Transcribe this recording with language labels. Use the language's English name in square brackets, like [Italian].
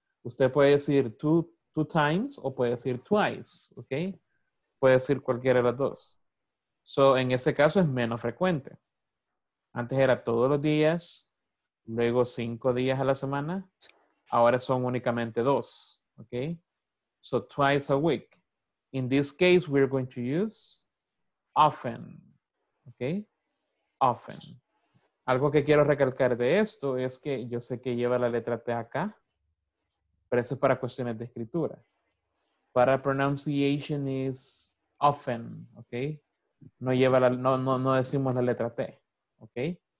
[Spanish] Usted puede decir [English] two times [Spanish] o puede decir twice, okay? Puede decir cualquiera de las dos. So, en ese caso es menos frecuente. Antes era todos los días, luego cinco días a la semana. Ahora son únicamente dos, okay? So, [English] twice a week. In this case, we're going to use often, okay? Often. [Spanish] Algo que quiero recalcar de esto es que yo sé que lleva la letra T acá, pero eso es para cuestiones de escritura. [English] Para pronunciation is often, okay? [Spanish] No lleva la, no decimos la letra T, okay?